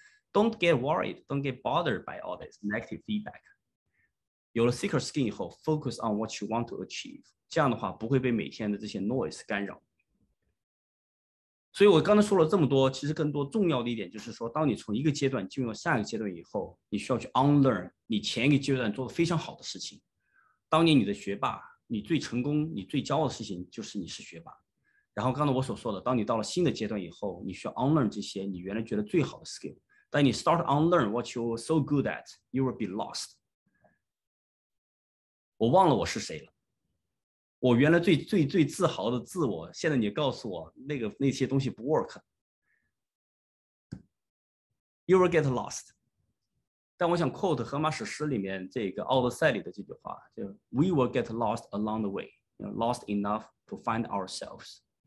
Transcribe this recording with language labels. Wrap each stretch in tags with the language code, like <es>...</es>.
<en>Don't get worried, don't get bothered by all this negative feedback.</en> <zh>有了</zh> <en>thicker skin</en> <zh>以后，</zh> <en>focus on what you want to achieve.</en> <zh>这样的话不会被每天的这些 noise 干扰。所以我刚才说了这么多，其实更多重要的一点就是说，当你从一个阶段进入到下一个阶段以后，你需要去 unlearn 你前一个阶段做的非常好的事情。当年你的学霸，你最成功，你最骄傲的事情就是你是学霸。然后刚才我所说的，当你到了新的阶段以后，你需要 unlearn 这些你原来觉得最好的 skill。当你</zh> <en>start unlearn what you were so good at, you will be lost.</en> <zh>我忘了我是谁了。我原来最最最自豪的自我，现在你告诉我那些东西不 work。</zh> <en>You will get lost.</en> <zh>但我想 quote《荷马史诗》里面这个《奥德赛》里的这句话，就</zh> <en>We will get lost along the way, you know, lost enough to find ourselves.</en>